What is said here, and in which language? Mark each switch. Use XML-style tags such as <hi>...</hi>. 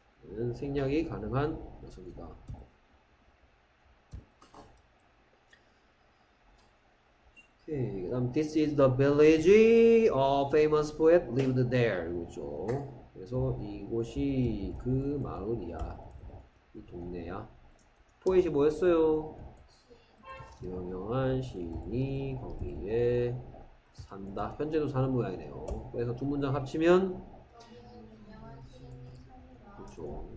<ko>얘는 생략이 가능한 녀석이다.</ko> <en>오케이, 그 다음 This is the village a famous poet lived there.</en> <ko>그렇죠. 그래서 이곳이 그 마을이야. 이 동네야. 포엣이 뭐였어요? 유명한 시인이 거기에 산다. 현재도 사는 모양이네요. 그래서 두 문장 합치면 그렇죠.</ko>